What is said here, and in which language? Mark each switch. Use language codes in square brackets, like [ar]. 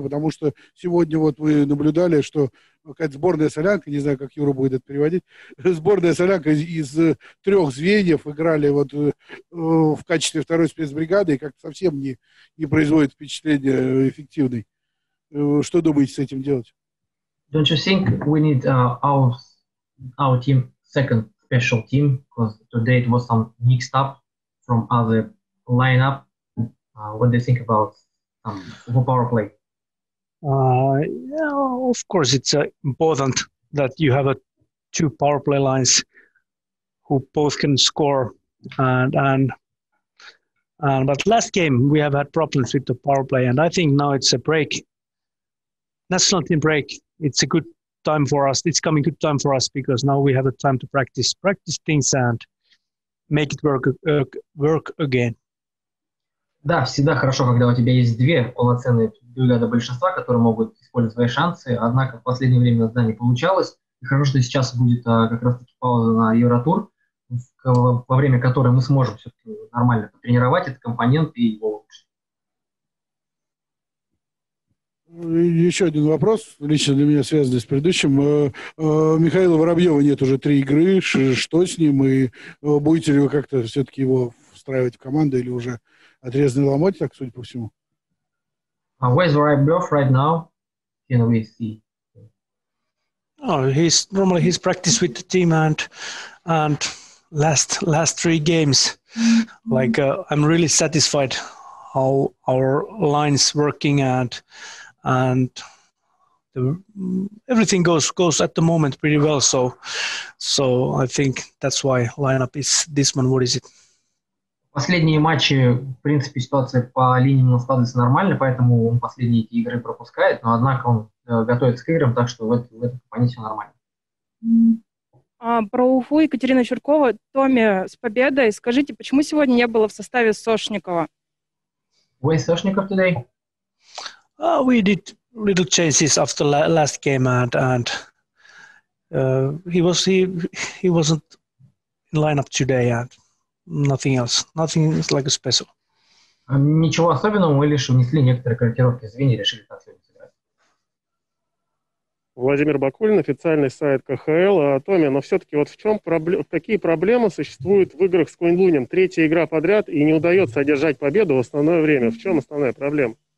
[ru] Потому что сегодня вот мы наблюдали, что какая-то сборная солянка, не знаю, как Юра будет это переводить, сборная солянка из трех звеньев играли вот в качестве второй спецбригады и как-то совсем не производит впечатления эффективной. Что думаете с этим делать? [en] Don't you think we need our team second special team? Because today it was some mixed up from other lineup. What do you think about power play? Yeah, of course it's important that you have two power play lines who both can score and but last game we have had problems with the power play and I think now it's a break, national team break. It's a good time for us. It's coming good time for us because now we have a time to practice things and make it work again. [ru] Да, всегда хорошо, когда у тебя есть две полноценные бригады большинства, которые могут использовать свои шансы. Однако в последнее время это не получалось. И хорошо, что сейчас будет как раз-таки пауза на Евротур, во время которой мы сможем все-таки нормально потренировать этот компонент и его улучшить. Еще один вопрос, лично для меня связанный с предыдущим. Михаила Воробьева нет уже 3 игры. Что с ним? И будете ли вы как-то все-таки его встраивать в команду или уже отрезанный ломать, так судя по всему. [en] Where's Ryberg right now? Can we see? Oh, he's normally practice with the team and last 3 games. Like I'm really satisfied how our lines working and the everything goes at the moment pretty well. So I think that's why lineup is this one. What is it? [ru] Последние матчи, в принципе, ситуация по линии не складывается нормально, поэтому он последние эти игры пропускает, но однако он готовится к играм, так что в этом компоненте все нормально. Про Уфу, Екатерина Чуркова. Томми, с победой. Скажите, почему сегодня не было в составе Сошникова? [en] Why Сошников today? We did little changes after last game and he wasn't in lineup today and nothing else. Nothing is like a special. [ru] Ничего особенного, мы лишь внесли некоторые корректировки звеньев и решили так сыграть. Владимир Бакулин, официальный сайт КХЛ. Томми, но все-таки вот какие проблемы существуют в играх с Куньлунем? Третья игра подряд и не удается одержать победу в основное время. В чем основная проблема?